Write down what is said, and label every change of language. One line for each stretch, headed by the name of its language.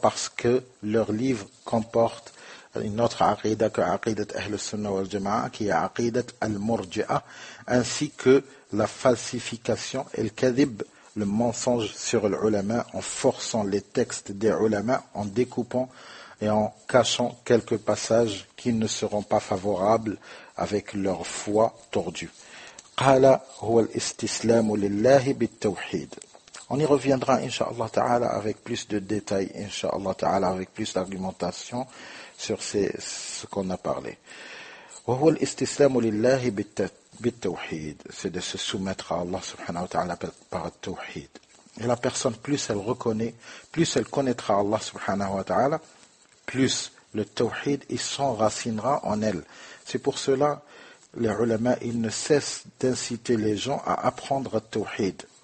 French: Parce que leurs livres comportent une autre aqidah que aqidat Ahl Sunnah wal Jama'a, qui est aqidat al-Murji'a, ainsi que la falsification et le kadhib, le mensonge sur l'ulama, en forçant les textes des ulama, en découpant et en cachant quelques passages qui ne seront pas favorables avec leur foi tordue.
Arabic: قال هو الاستسلام لله بالتوحيد.
French: On y reviendra inshallah ta'ala avec plus de détails inshallah ta'ala avec plus d'argumentation sur ce qu'on a parlé.
Arabic: وهو الاستسلام لله بالتوحيد.
French: C'est de se soumettre à Allah subhanahu wa ta'ala par le tawhid. Et la personne, plus elle reconnaît, plus elle connaîtra Allah subhanahu wa ta'ala, plus le tawhid s'enracinera en elle. C'est pour cela les ulama, ils ne cessent d'inciter les gens à apprendre le tawhid.